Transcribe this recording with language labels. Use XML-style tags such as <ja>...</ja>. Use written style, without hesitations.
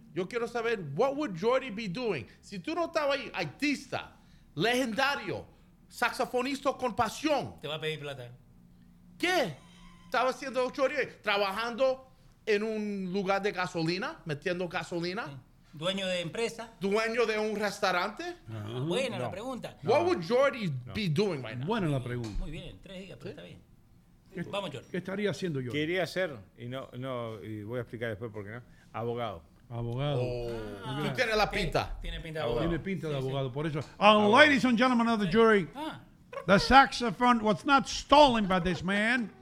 <es>Yo quiero saber,</es> <en>what would Jordi be doing?</en> <es>Si tú no estabas ahí, artista, legendario, saxofonista con pasión. Te va a pedir plata. ¿Qué? Estaba haciendo Jordi trabajando en un lugar de gasolina, metiendo gasolina. Sí. ¿Dueño de empresa? ¿Dueño de un restaurante? Uh-huh. Buena la pregunta.</es> <en>No. What would Jordi be doing right now?</en> <es>Buena la pregunta. Muy bien, 3 días, pero está bien. Vamos, Jordi. ¿Qué estaría haciendo yo? Quería ser, y no, y voy a explicar después por qué no, abogado. Abogado. Oh. Ah. Tú tienes la pinta. Tiene pinta de abogado. Tiene pinta de abogado, por eso.</es> <en>Ladies and gentlemen of the jury, the saxophone was not stolen by this man.</en>